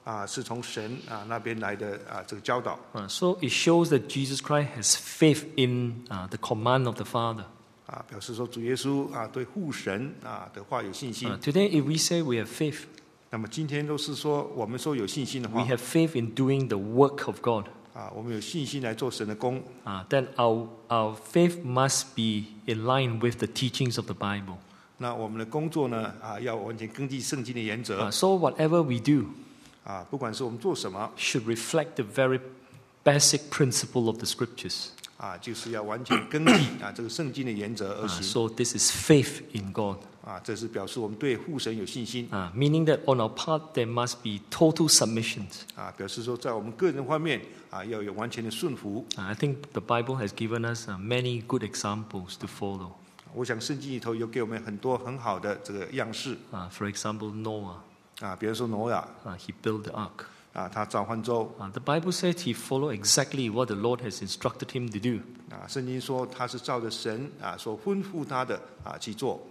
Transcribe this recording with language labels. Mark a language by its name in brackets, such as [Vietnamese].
[Chinese] 是从神那边来的这个教导。 [English] So it shows that Jesus Christ has faith in the command of the Father. [Chinese] 表示说主耶稣对父神的话有信心。 [English] Today if we say we have faith, [Chinese] 那么今天都是说我们说有信心的话。 [English] We have faith in doing the work of God. [Chinese] 我们有信心来做神的工。 [English] Then our faith must be in line with the teachings of the Bible. [Chinese] 那我们的工作呢要完全根据圣经的原则。 [English] So whatever we do, [Chinese] 不管是我们做什么 [English] should reflect the very basic principle of the scriptures. [Chinese] 就是要完全根据这个圣经的原则而行。 [English] So this is faith in God. [Chinese] 这是表示我们对父神有信心。 [English] Meaning that on our part there must be total submission. [Chinese] 表示说在我们个人方面要有完全的顺服。 [English] I think the Bible has given us many good examples to follow. [Chinese] 我想圣经里头有给我们很多很好的这个样式。 [English] For example, Noah. [Chinese] 比如说挪亚 [English] he built the ark. [Chinese] 他造方舟 [English] The Bible says he followed exactly what the Lord has instructed him to do. [Chinese] 圣经说他是照着神所吩咐他的去做